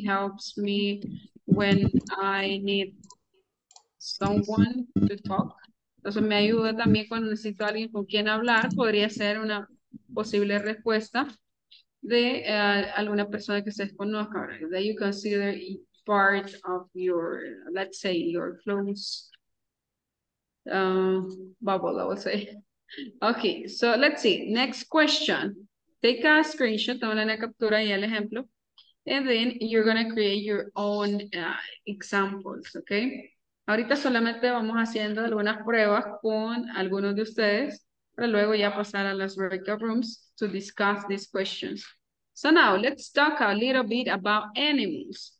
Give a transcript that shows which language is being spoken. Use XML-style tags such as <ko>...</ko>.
<en>He helps me when I need someone to talk.</en> <es>Entonces, me ayuda también cuando necesito a alguien con quien hablar. Podría ser una posible respuesta de alguna persona que se desconozca.</es> <en>That you consider part of your, let's say, your close bubble, I would say. Okay, so let's see. Next question. Take a screenshot,</en> <es>tomen la captura y el ejemplo.</es> <en>And then you're going to create your own examples, okay?</en> <es>Ahorita solamente vamos haciendo algunas pruebas con algunos de ustedes para luego ya pasar a las breakout rooms</es> <en>to discuss these questions. So now, let's talk a little bit about animals.</en>